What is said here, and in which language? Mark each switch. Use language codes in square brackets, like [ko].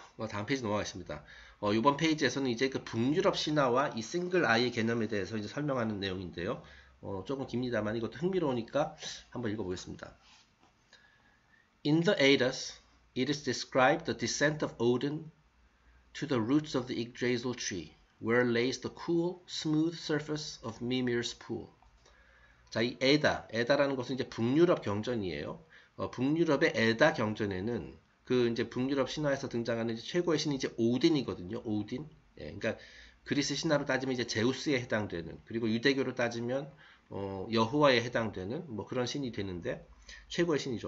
[ko] 다음 페이지 넘어가겠습니다. 이번 페이지에서는 이제 그 북유럽 신화와 이 싱글 아이의 개념에 대해서 이제 설명하는 내용인데요. 조금 깁니다만 이것도 흥미로우니까 한번 읽어보겠습니다. [en] In the Eddas, it is described the descent of Odin to the roots of the Yggdrasil tree, where lays the cool, smooth surface of Mimir's pool. [ko] 자, 이 에다라는 것은 이제 북유럽 경전이에요. 북유럽의 에다 경전에는 그 이제 북유럽 신화에서 등장하는 이제 최고의 신이 이제 오딘이거든요. 오딘. 예, 그러니까 그리스 신화로 따지면 이제 제우스에 해당되는, 그리고 유대교로 따지면 여호와에 해당되는 뭐 그런 신이 되는데, 최고의 신이죠.